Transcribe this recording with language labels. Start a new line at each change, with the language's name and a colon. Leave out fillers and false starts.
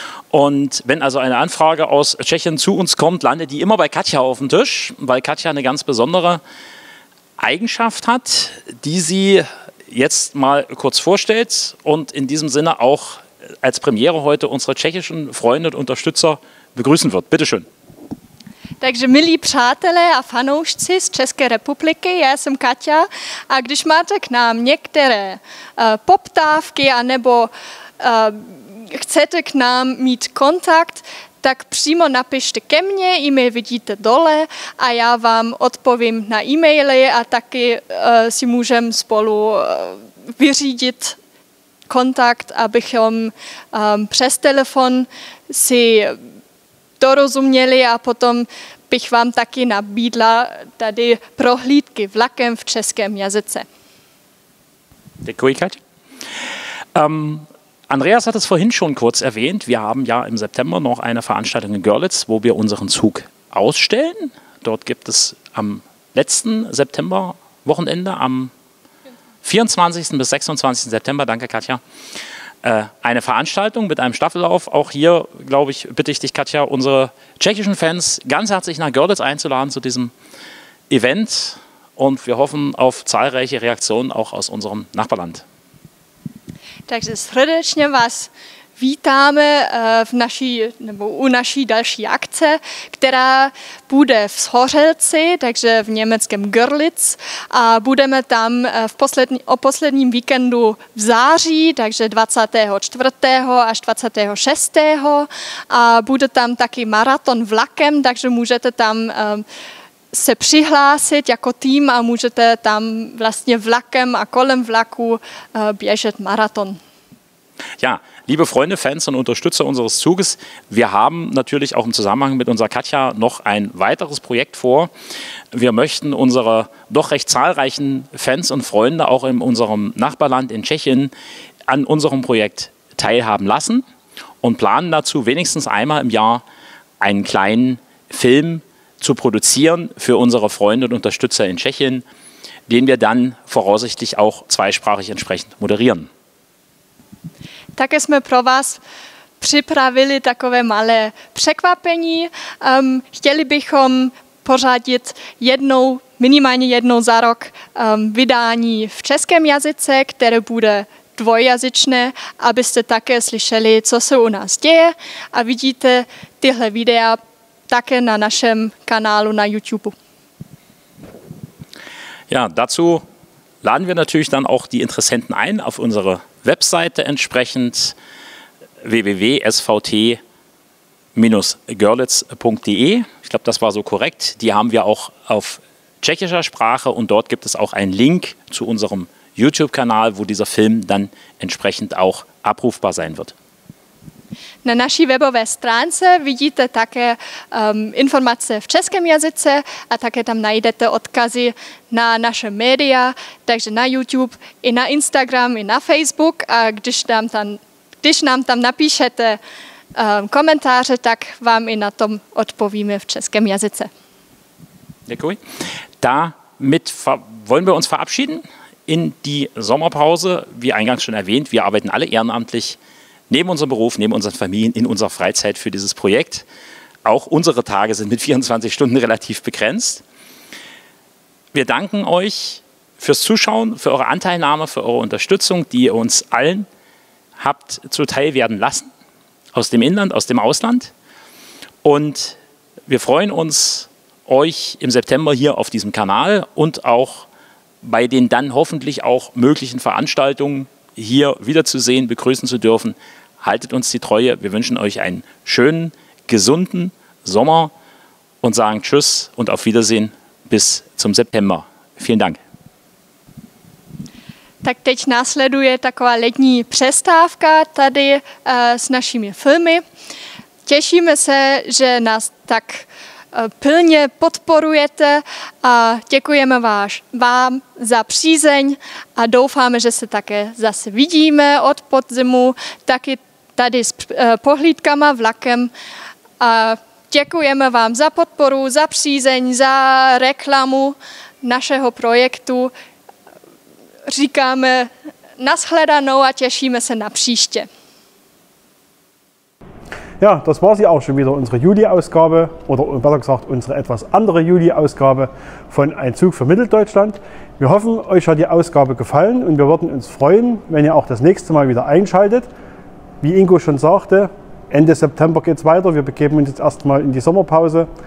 German: Und wenn also eine Anfrage aus Tschechien zu uns kommt, landet die immer bei Katja auf dem Tisch, weil Katja eine ganz besondere Eigenschaft hat, die sie jetzt mal kurz vorstellt und in diesem Sinne auch als Premiere heute unsere tschechischen Freunde und Unterstützer begrüßen wird. Bitte schön.
Czech: Takže milí přátelé a fanoušci z České republiky, já jsem Katja a když máte k nám některé poptávky a nebo chcete k nám mít kontakt, tak přímo napište ke mně, e-mail vidíte dole a já vám odpovím na e-maily a taky si můžem spolu vyřídit kontakt, abychom přes telefon si dorozuměli a potom bych vám taky nabídla tady prohlídky vlakem v českém jazyce. Děkuji, Katě.
German: Andreas hat es vorhin schon kurz erwähnt, wir haben ja im September noch eine Veranstaltung in Görlitz, wo wir unseren Zug ausstellen. Dort gibt es am letzten September-Wochenende, am 24. bis 26. September, danke Katja, eine Veranstaltung mit einem Staffellauf. Auch hier, glaube ich, bitte ich dich, Katja, unsere tschechischen Fans ganz herzlich nach Görlitz einzuladen zu diesem Event. Und wir hoffen auf zahlreiche Reaktionen auch aus unserem Nachbarland.
Czech: Takže srdečně vás vítáme v naší, nebo u naší další akce, která bude v Shořelci, takže v německém Görlitz. A budeme tam o posledním víkendu v září, takže 24. až 26. A bude tam taky maraton vlakem, takže můžete tam se přihlásit jako tým a můžete tam vlastně vlakem a kolem vlaku běžet maraton.
German: Ja, liebe Freunde, Fans und Unterstützer unseres Zuges, wir haben natürlich auch im Zusammenhang mit unserer Katja noch ein weiteres Projekt vor. Wir möchten unsere doch recht zahlreichen Fans und Freunde auch in unserem Nachbarland in Tschechien an unserem Projekt teilhaben lassen und planen dazu wenigstens einmal im Jahr einen kleinen Film zu produzieren für unsere Freunde und Unterstützer in Tschechien, den wir dann voraussichtlich auch zweisprachig entsprechend moderieren.
Czech: Také jsme pro vás připravili takové malé překvapení. Chtěli bychom pořádit jednou, minimálně jednou za rok vydání v českém jazyce, které bude dvojjazyčné, abyste také slyšeli, co se u nás děje a vidíte tyhle videa také na našem kanálu na YouTube.
German: Ja, dazu laden wir natürlich dann auch die Interessenten ein auf unsere Webseite entsprechend www.svt-görlitz.de. Ich glaube, das war so korrekt. Die haben wir auch auf tschechischer Sprache und dort gibt es auch einen Link zu unserem YouTube-Kanal, wo dieser Film dann entsprechend auch abrufbar sein wird.
Czech: Na naší webové stránce vidíte také informace v českém jazyce a také tam najdete odkazy na naše média, takže na YouTube, i na Instagram, i na Facebook. A když nám tam napíšete komentáře, tak vám i na tom odpovíme v českém jazyce. Děkuji.
German: Damit wollen wir uns verabschieden in die Sommerpause. Wie eingangs schon erwähnt, wir arbeiten alle ehrenamtlich neben unserem Beruf, neben unseren Familien, in unserer Freizeit für dieses Projekt. Auch unsere Tage sind mit 24 Stunden relativ begrenzt. Wir danken euch fürs Zuschauen, für eure Anteilnahme, für eure Unterstützung, die ihr uns allen habt zuteil werden lassen, aus dem Inland, aus dem Ausland. Und wir freuen uns, euch im September hier auf diesem Kanal und auch bei den dann hoffentlich auch möglichen Veranstaltungen hier wiederzusehen, begrüßen zu dürfen. Haltet uns die Treue. Wir wünschen euch einen schönen, gesunden Sommer und sagen Tschüss und auf Wiedersehen bis zum September. Vielen Dank.
Czech: Tak teď následuje taková letní přestávka tady s našimi filmy. Těšíme se, že nás tak pilně podporujete a děkujeme vám za přízeň a doufáme, že se také zase vidíme od podzimu, taky tady s pohlídkama, vlakem. A děkujeme vám za podporu, za přízeň, za reklamu našeho projektu. Říkáme nashledanou a těšíme se na příště.
German: Ja, das war sie auch schon wieder, unsere Juli-Ausgabe oder besser gesagt unsere etwas andere Juli-Ausgabe von Ein Zug für Mitteldeutschland. Wir hoffen, euch hat die Ausgabe gefallen und wir würden uns freuen, wenn ihr auch das nächste Mal wieder einschaltet. Wie Ingo schon sagte, Ende September geht es weiter. Wir begeben uns jetzt erstmal in die Sommerpause.